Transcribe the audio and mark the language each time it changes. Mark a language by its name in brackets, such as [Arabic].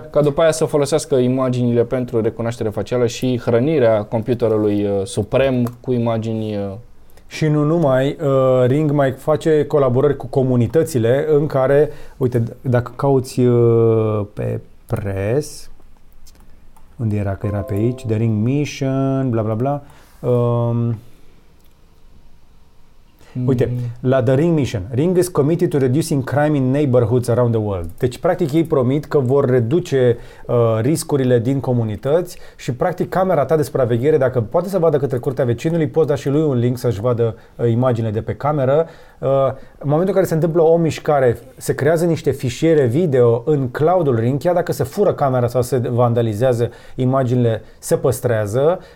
[Romanian] Ca după aia să folosească imaginile pentru recunoaștere facială și hrănirea computerului suprem cu imagini. Și nu numai, Ring mai face colaborări cu comunitățile în care, uite, dacă cauți pe pres, unde era, că era pe aici, The Ring Mission, bla bla bla. Uite, la [English] The Ring Mission, Ring is committed to reducing crime in neighborhoods around the world. [Romanian] Deci, practic, ei promit că vor reduce riscurile din comunități și, practic, camera ta de supraveghere, dacă poate să vadă către curtea vecinului, poți da și lui un link să-și vadă imaginele de pe cameră. În momentul în care se întâmplă o mișcare, se creează niște fișiere video în cloudul Ring, chiar dacă se fură camera sau se vandalizează, imaginile se păstrează.